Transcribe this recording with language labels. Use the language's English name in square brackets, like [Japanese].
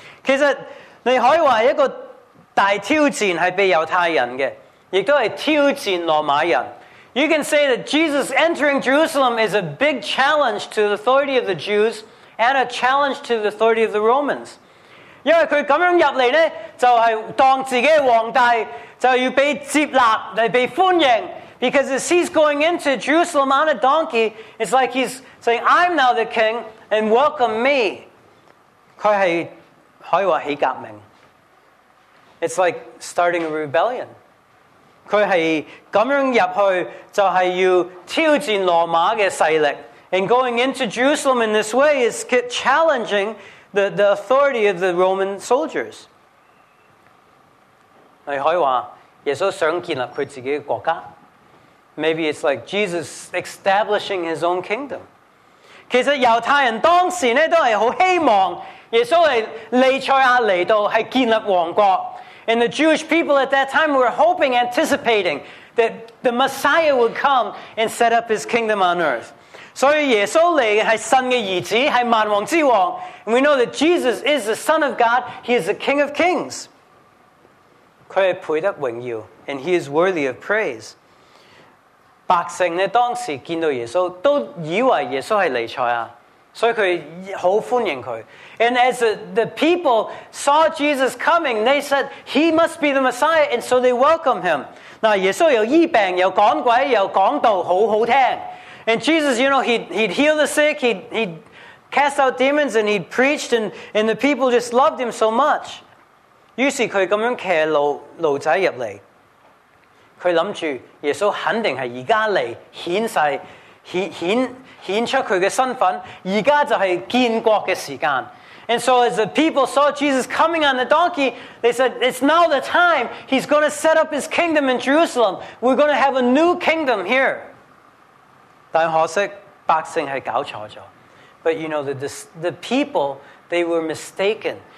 [Chinese] 其实你可以说一个大挑战是被犹太人的, 也都是挑战罗马人。 [English] You can say that Jesus entering Jerusalem is a big challenge to the authority of the Jews and a challenge to the authority of the Romans. [Chinese] 因为他这样进来呢就是当自己的皇帝就要被接纳来被欢迎 [English] Because as he's going into Jerusalem on a donkey It's like he's saying I'm now the king and welcome me [Chinese] 他是可以说起革命 [English] It's like starting a rebellion [Chinese] 他是这样进去就是要挑战罗马的势力 [English] And going into Jerusalem in this way is challengingthe authority of the Roman soldiers. [Chinese] 你可以说耶稣想建立他自己的国家。 [English] Maybe it's like Jesus establishing his own kingdom. [Chinese] 其实犹太人当时呢都是很希望耶稣是利赛亚来到是建立王国。 [English] And the Jewish people at that time were hoping, anticipating that the Messiah would come and set up his kingdom on earth. [Chinese] 所以耶稣来是神的儿子，是万王之王。 [English] And we know that Jesus is the Son of God. He is the King of Kings. [Chinese] 他是配得荣耀 [English] ，and he is worthy of praise. [Chinese] 百姓呢，当时见到耶稣，都以为耶稣是弥赛亚，所以他好欢迎他。 [English] And as the people saw Jesus coming, they said he must be the Messiah, and so they welcomed him. [Chinese] 那耶稣又医病，又赶鬼，又讲道，好好听。 [English] And Jesus, you know, he'd heal the sick, he'd cast out demons, and he'd preached, and the people just loved him so much. [Chinese] 於是他這樣騎驢仔入來。他想著耶穌肯定是現在來顯示顯出他的身份，現在就是建國的時間。 [English] And so as the people saw Jesus coming on the donkey, they said, it's now the time. He's going to set up his kingdom in Jerusalem. We're going to have a new kingdom here. [Chinese] 但可惜百姓是搞错了 [English] But you know, the people, they were mistaken.